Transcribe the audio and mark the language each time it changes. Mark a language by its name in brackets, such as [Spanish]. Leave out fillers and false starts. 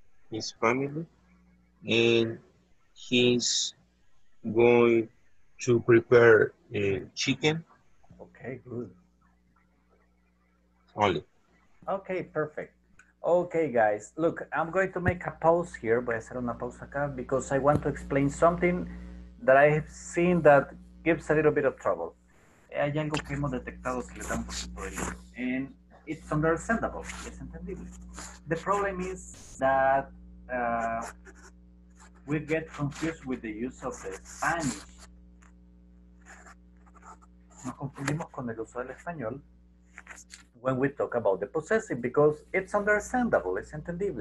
[English] His family? And he's going to prepare chicken. Okay, good. Only. Okay, perfect. Okay, guys, look, I'm going to make a pause here, [Spanish] voy a hacer una pausa acá, [English] because I want to explain something that I've seen that gives a little bit of trouble. [Spanish] Hay algo que hemos detectado que le da un poquito de lío. [English] And it's understandable, [Spanish] es entendible. [English] The problem is that we get confused with the use of the Spanish. [Spanish] Nos confundimos con el uso del español [English] when we talk about the possessive because it's understandable, it's entendible.